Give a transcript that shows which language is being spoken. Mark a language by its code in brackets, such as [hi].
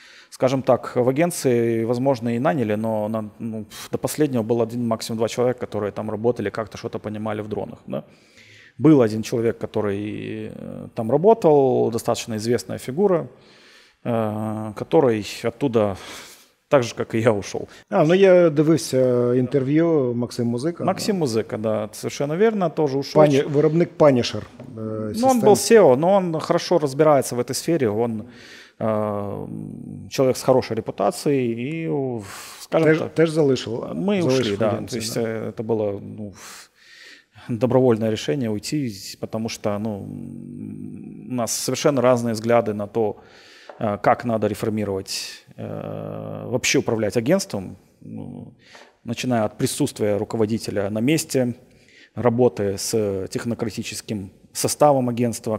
[ru] Скажем так, в агенции, возможно, и наняли, но до последнего был один, максимум два человека, которые там работали, как-то что-то понимали в дронах. Да? Был один человек, который там работал, достаточно известная фигура, который оттуда так же, как и я, ушел. [uk] Я дивився интервью Максима Музика. [ru] Максим Музика, да, совершенно верно, тоже ушел. [uk] Виробник Punisher. [ru] Он был SEO, но он хорошо разбирается в этой сфере, он человек с хорошей репутацией, и, скажем так... [uk] Теж залишил. [ru] Мы ушли, да. То есть это было добровольное решение уйти, потому что у нас совершенно разные взгляды на то, как надо реформировать, вообще управлять агентством, начиная от присутствия руководителя на месте, работы с технократическим составом агентства.